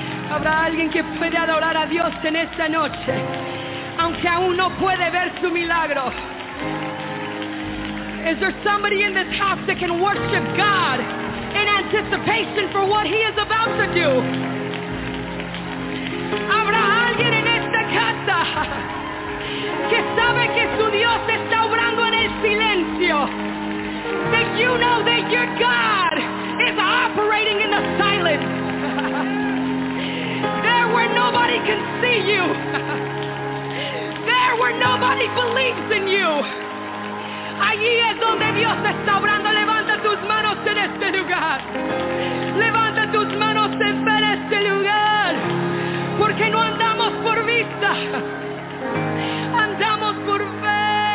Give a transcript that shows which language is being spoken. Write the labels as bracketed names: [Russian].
[Spanish] Habrá alguien que pueda adorar a Dios en esta noche, aunque aún no puede ver su milagro. [English] Is there somebody in this house that can worship God in anticipation for what He is about to do? [Spanish] Habrá alguien en esta casa que sabe que su Dios está obrando en el silencio. [English] That you know that your God is operating in the silence. There where nobody can see you. There where nobody believes in you. [Spanish] Allí es donde Dios está obrando. Levanta tus manos en este lugar. Levanta tus manos en fe en este lugar. Porque no andamos por vista. Andamos por fe.